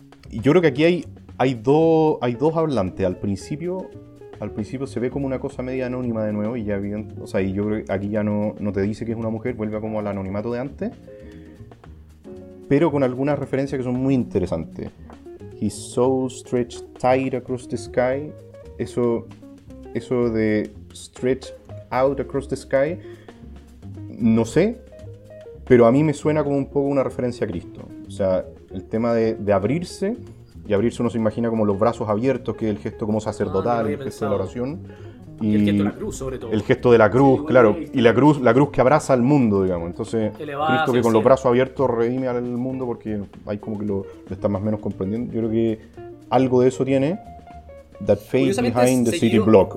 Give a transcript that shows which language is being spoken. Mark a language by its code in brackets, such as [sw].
[es] Yo creo que aquí hay dos hablantes. Al principio se ve como una cosa media anónima de nuevo, y ya bien, o sea, y yo creo que aquí ya no te dice que es una mujer, vuelve como al anonimato de antes, pero con algunas referencias que son muy interesantes. [en] His soul stretched tight across the sky. [es] Eso de [en] stretch out across the sky, [es] no sé, pero a mí me suena como un poco una referencia a Cristo. O sea, el tema de abrirse, y abrirse uno se imagina como los brazos abiertos, que es el gesto como sacerdotal, el gesto de la oración. Y el gesto de la cruz, sobre todo. El gesto de la cruz, sí, claro. Y la cruz que abraza al mundo, digamos. Entonces, elevada, Cristo que con los brazos abiertos redime al mundo, porque hay como que lo está más o menos comprendiendo. Yo creo que algo de eso tiene. [en] that fade behind the city block.